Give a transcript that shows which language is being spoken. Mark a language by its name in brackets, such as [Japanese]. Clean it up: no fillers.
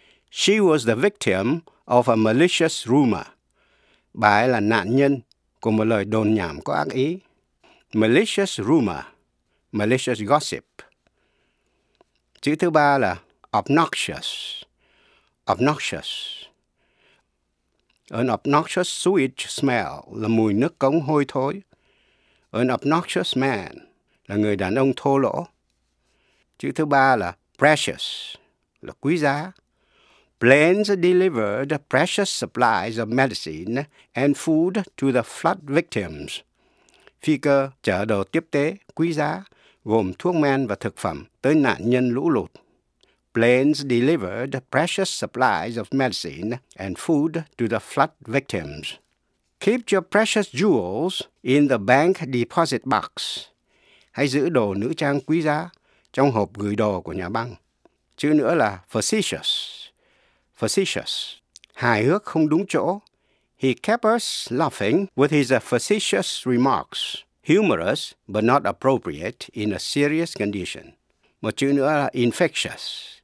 [English] She was the victim of a malicious rumor. [Vietnamese] Bà ấy là nạn nhân của một lời đồn nhảm có ác ý. [English] Malicious rumor, malicious gossip. [Vietnamese] Chữ thứ ba là [English] obnoxious. Obnoxious. An obnoxious sewage smell [Vietnamese] là mùi nước cống hôi thối. [English] An obnoxious man [Vietnamese] là người đàn ông thô lỗ. Chữ thứ ba là precious, là quý giá. [English] Planes delivered precious supplies of medicine and food to the flood victims. [Vietnamese] Phi cơ chở đồ tiếp tế quý giá, gồm thuốc men và thực phẩm tới nạn nhân lũ lụt. [English] Planes delivered precious supplies of medicine and food to the flood victims. Keep your precious jewels in the bank deposit box. [Vietnamese] Hãy giữ đồ nữ trang quý giá trong hộp gửi đồ của nhà băng. Chữ nữa là facetious. Facetious. Hài hước không đúng chỗ. [English] He kept us laughing with his facetious remarks. Humorous but not appropriate in a serious condition. [Vietnamese] Một chữ nữa là infectious.